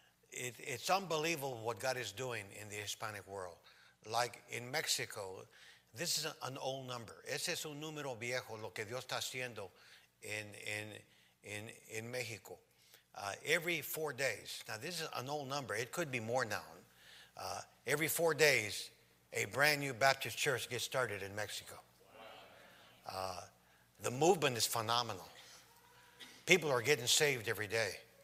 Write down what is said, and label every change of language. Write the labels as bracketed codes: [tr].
[en] It's unbelievable what God is doing in the Hispanic world. Like in Mexico, this is an old number. [es] Ese es un número viejo, lo que Dios está haciendo [en] in Mexico. Every 4 days. Now, this is an old number. It could be more now. Every 4 days, a brand new Baptist church gets started in Mexico. The movement is phenomenal. People are getting saved every day.